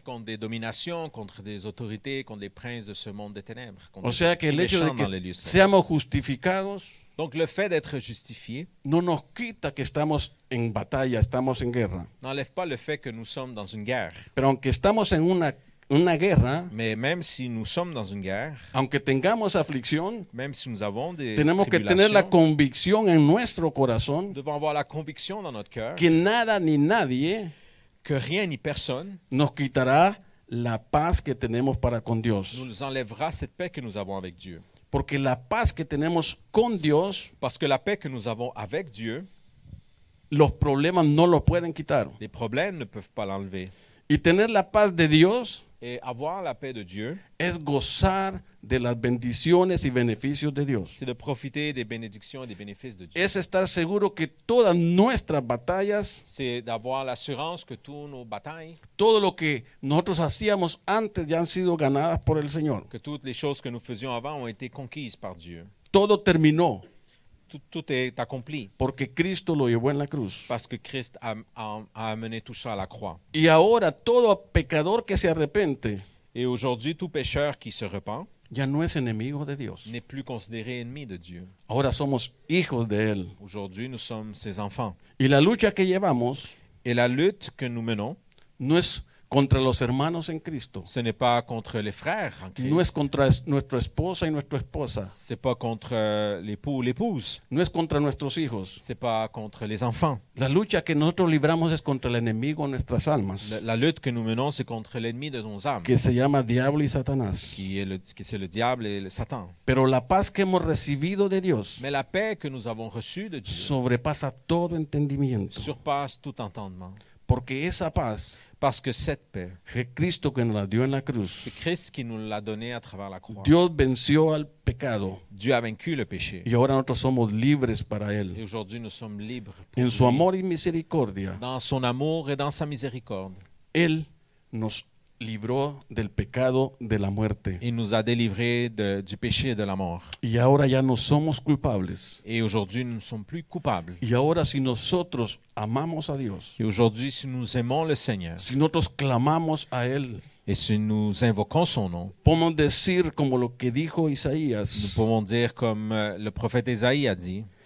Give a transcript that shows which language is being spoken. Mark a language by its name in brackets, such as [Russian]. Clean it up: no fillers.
[French] Contra des dominations, contra des autorités, contra des princes de ce monde des ténèbres. [Spanish] O sea que el hecho de que seamos justificados, [French] Donc le fait d'être justifié [Spanish] no nos quita que estamos en batalla, estamos en guerra. [French] N'enlève pas le fait que nous sommes dans une guerre. [Spanish] Pero aunque estamos en una guerra, [French] mais même si nous sommes dans une guerre, [Spanish] aunque tengamos aflicción, [French] même si nous avons des [Spanish] tenemos que tener la convicción en nuestro corazón, [French] devons avoir la conviction dans notre cœur, [Spanish] que nada ni nadie, [French] que rien ni personne, [Spanish] nos quitará la paz que tenemos para con Dios. [French] Nous enlèvera cette paix que nous avons avec Dieu. [Spanish] Porque la paz que tenemos con Dios, [French] parce que la paix que nous avons avec Dieu, [Spanish] los problemas no lo pueden quitar. [French] Les problèmes ne peuvent pas l'enlever. [Spanish] Y tener la paz de Dios, [French] et avoir la paix de Dieu, [Spanish] es gozar de las bendiciones y beneficios de Dios. [French] C'est de profiter des bénédictions et des bénéfices de Dieu. [Spanish] Es estar seguro que todas nuestras batallas, [French] c'est d'avoir l'assurance que toutes nos batailles, [Spanish] todo lo que nosotros hacíamos antes ya han sido ganadas por el Señor. [French] Que toutes les choses que nous faisions avant ont été conquises par Dieu. [Spanish] Todo terminó. [French] Tout est accompli. [Spanish] Porque Cristo lo llevó en la cruz. [French] Parce que Christ a amené tout ça à la croix. [Spanish] Y ahora todo pecador que se arrepiente, [French] et aujourd'hui tout pécheur qui se repent, [Spanish] ya no es enemigo de Dios. [French] N'est plus considéré ennemi de Dieu. [Spanish] Ahora somos hijos de él. [French] Aujourd'hui nous sommes ses enfants. [Spanish] Y la lucha que llevamos, [French] et la lutte que nous menons, [Spanish] no es contra los hermanos en Cristo. [French] Ce n'est pas contre les frères en Christ. [Spanish] No es contra nuestra esposa y nuestra esposa. [French] C'est pas contre l'époux ou l'épouse. [Spanish] No es contra nuestros hijos. [French] C'est pas contre les enfants. [Spanish] La lucha que nosotros libramos es contra el enemigo de nuestras almas. [French] La lutte que nous menons c'est contre l'ennemi de nos âmes. [Spanish] Que se llama diablo y Satanás. [French] Qui c'est le diable et le Satan. [Spanish] Pero la paz que hemos recibido de Dios, [French] mais la paix que nous avons reçue de Dieu, [Spanish] sobrepasa todo entendimiento. [French] Surpasse tout entendement. [Spanish] Porque esa paz, [French] parce que cette paix, c'est Christ qui nous l'a donné à la croix. C'est Christ qui nous l'a donné à travers la croix. [Spanish] Dios venció al pecado. [French] Dieu a vaincu le péché. [Spanish] Y ahora nosotros somos libres para él. [French] Et aujourd'hui nous sommes libres. [Spanish] En su amor y misericordia. [French] Dans son amour et dans sa miséricorde. [Spanish] Él nos libró del pecado de la muerte. [French] Il nous a délivré du péché et de la mort. [Spanish] Y ahora ya no somos culpables. [French] Et aujourd'hui nous ne sommes plus coupables. [Spanish] Y ahora si nosotros amamos a Dios. [French] Et aujourd'hui si nous aimons le Seigneur. [Spanish] Si nosotros clamamos a él. [French] Et si nous invoquons son nom. [Spanish] Podemos decir como lo que dijo Isaías. [French] Nous pouvons dire comme le prophète Isaïe a dit.